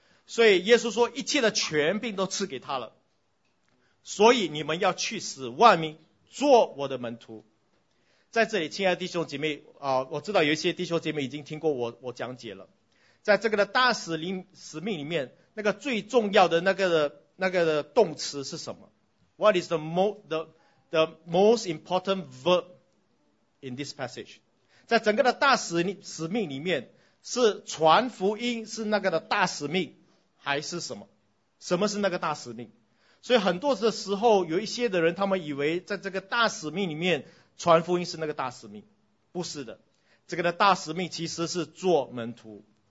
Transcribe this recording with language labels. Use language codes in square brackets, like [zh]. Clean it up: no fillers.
[zh] 所以耶稣说，一切的权柄都赐给他了，所以你们要去使万民做我的门徒。在这里亲爱的弟兄姐妹，我知道有一些弟兄姐妹已经听过我讲解了。在这个的大使命里面，那个最重要的那个的动词是什么？ [en] What is the most important verb in this passage? [zh] 在整个的大使命里面，是传福音是那个的大使命，还是什么？什么是那个大使命？所以很多的时候，有一些的人，他们以为在这个大使命里面，传福音是那个大使命。不是的，这个的大使命其实是做门徒。